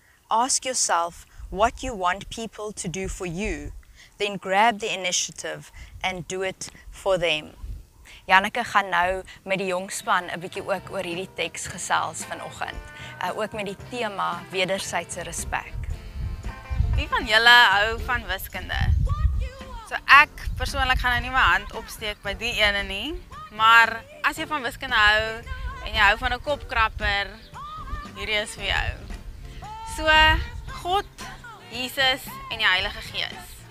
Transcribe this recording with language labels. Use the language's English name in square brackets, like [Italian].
[English] Ask yourself what you want people to do for you, then grab the initiative and do it for them. [Afrikaans] Janneke gaan nou met die jongspan 'n bietjie ook oor hierdie teks gesels vanoggend. Ook met die tema wedersydse respek. Wie van julle hou van wiskunde? So ek persoonlik gaan nou nie my hand opsteek by die ene nie, maar as jy van wiskunde hou en jy hou van 'n kopkrapper, hierdie is vir jou. So God, Jesus en die Heilige Gees.